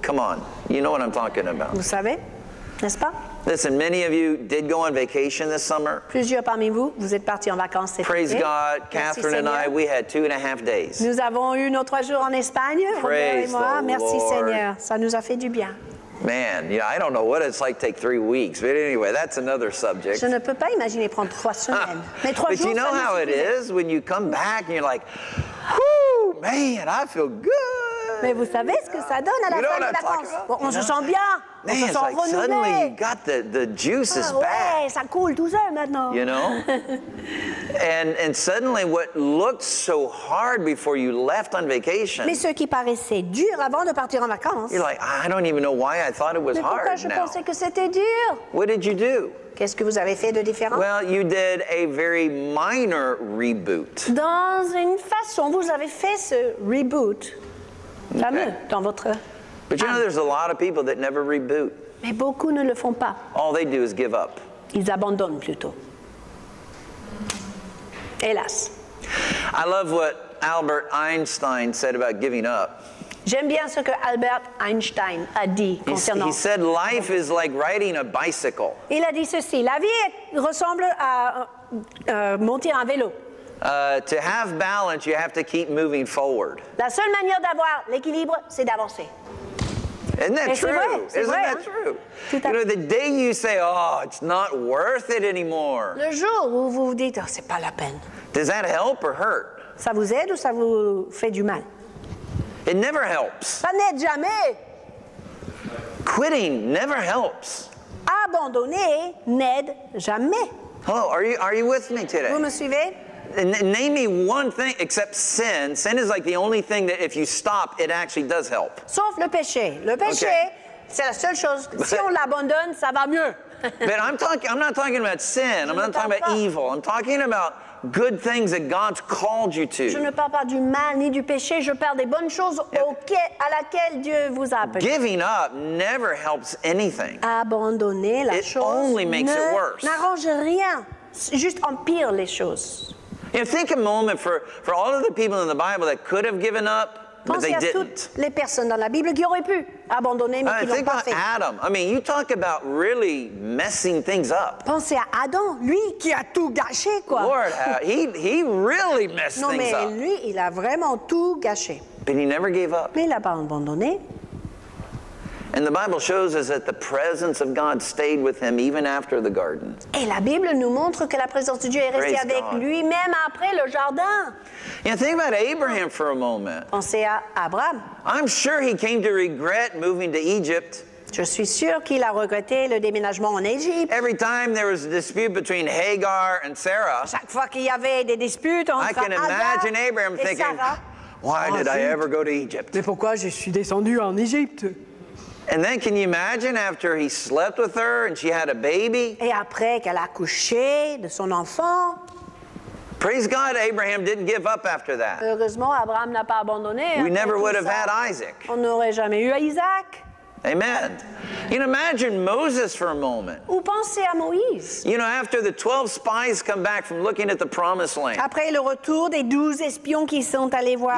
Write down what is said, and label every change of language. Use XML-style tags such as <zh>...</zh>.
<en>Come on, you know what I'm talking about.</en> <fr>Vous savez, n'est-ce pas?</fr> <en>Listen, many of you did go on vacation this summer.</en> <fr>Plusieurs parmi vous, vous êtes partis en vacances cet été.</fr> <en>Praise God, Kathryn and I, we had 2.5 days.</en> <fr>Nous avons eu nos 3 jours en Espagne, Robert et moi. Merci Seigneur, ça nous a fait du bien.</fr> <en>Man, yeah, I don't know what it's like to take 3 weeks, but anyway, that's another subject.</en> <fr>Je ne peux pas imaginer prendre 3 semaines. Mais 3 jours, ça me suffit.</fr> <en>But you know how it is when you come back and you're like, "Whoo, man, I feel good."</en> <fr>Mais vous savez ce que ça donne à la fin des vacances. Bon, on se sent bien.</fr> <en>Man,</en> <fr>on se sent</fr> <en>like</en> <fr>renouvelé.</fr> <en>Suddenly you got the juices back.</en> <fr>Ça coule tout seul maintenant.</fr> <en>You know? and suddenly what looked so hard before you left on vacation.</en> <fr>Mais ce qui paraissait dur avant de partir en vacances.</fr> <en>You're like, I don't even know why I thought it was hard now.</en> <fr>Mais pourquoi je pensais que c'était dur?</fr> <en>What did you do?</en> <fr>Qu'est-ce que vous avez fait de différent?</fr> <en>Well, you did a very minor reboot.</en> <fr>Dans une façon, vous avez fait ce reboot. Okay. Dans votre</fr> <en>but you know, there's a lot of people that never reboot.</en> <fr>Mais beaucoup ne le font pas.</fr> <en>All they do is give up.</en> <fr>Ils abandonnent plutôt. Hélas.</fr> <en>I love what Albert Einstein said about giving up.</en> <fr>J'aime bien ce que Albert Einstein a dit concernant.</fr> <en>He said life is like riding a bicycle.</en> <fr>Il a dit ceci: la vie ressemble à monter un vélo.</fr> <en>To have balance, you have to keep moving forward.</en> <fr>La seule manière d'avoir l'équilibre, c'est d'avancer.</fr> <en>Isn't that true?</en> <fr>Vrai,</fr> <en>isn't</en> <fr>vrai,</fr> <en>that</en> <fr>hein?</fr> <en>True? You know, the day you say, "Oh, it's not worth it anymore."</en> <fr>Le jour où vous vous dites, oh, c'est pas la peine.</fr> <en>Does that help or hurt?</en> <fr>Ça vous aide ou ça vous fait du mal?</fr> <en>It never helps.</en> <fr>Ça n'aide jamais.</fr> <en>Quitting never helps.</en> <fr>Abandonner n'aide jamais.</fr> <en>Hello, are you with me today?</en> <fr>Vous me suivez?</fr> <en>Name me one thing except sin. Sin is like the only thing that if you stop, it actually does help.</en> <fr>Sauf le péché. Le péché, okay. C'est la seule chose. But, si on l'abandonne, ça va mieux.</fr> <en>But I'm not talking about sin. I'm not talking about evil. I'm talking about good things that God's called you to.</en> <fr>Je ne parle pas du mal ni du péché. Je parle des bonnes choses à laquelle Dieu vous a appelé.</fr> <en>Giving up never helps anything.</en> <fr>Abandonner la chose.</fr> <en>It only makes it worse.</en> <fr>N'arrange rien. Juste empire les choses.</fr> <en>You know, think a moment for all of the people in the Bible that could have given up, but they didn't.</en> <fr>Pensez à toutes les personnes dans la Bible qui auraient pu abandonner, mais qui l'ont pas fait.</fr> <en>Think about Adam. I mean, you talk about really messing things up.</en> <fr>Pensez à Adam, lui qui a tout gâché, quoi.</fr> <en>Lord, he really messed</en> <fr>non,</fr> <en>things up.</en> <fr>Non, mais lui, il a vraiment tout gâché.</fr> <en>But he never gave up.</en> <fr>Mais il n'a pas abandonné.</fr> <en>And the Bible shows us that the presence of God stayed with him even after the garden.</en> <fr>Et la Bible nous montre que la présence de Dieu est restée avec lui même après le jardin.</fr> <en>Yeah, think about Abraham for a moment.</en> <fr>Pensez à Abraham.</fr> <en>I'm sure he came to regret moving to Egypt.</en> <fr>Je suis sûr qu'il a regretté le déménagement en Égypte.</fr> <en>Every time there was a dispute between Hagar and Sarah.</en> <fr>Chaque fois qu'il y avait des disputes entre</fr> <en>I can imagine Abraham thinking,</en> <fr>Sarah.</fr> <en>Why did I ever go to Egypt?</en> <fr>Mais pourquoi je suis descendu en Égypte?</fr> <en>And then can you imagine after he slept with her and she had a baby?</en> <fr>Et après qu'elle a accouché de son enfant?</fr> <en>Praise God, Abraham didn't give up after that.</en> <fr>Heureusement, Abraham n'a pas abandonné.</fr> <en>We never would have had Isaac.</en> <fr>On n'aurait jamais eu Isaac.</fr> <en>Amen. You know, imagine Moses for a moment.</en> <fr>Ou pensez à Moïse.</fr> <en>You know, after the 12 spies come back from looking at the promised land.</en> <fr>Après le retour des 12 espions qui sont allés voir</fr>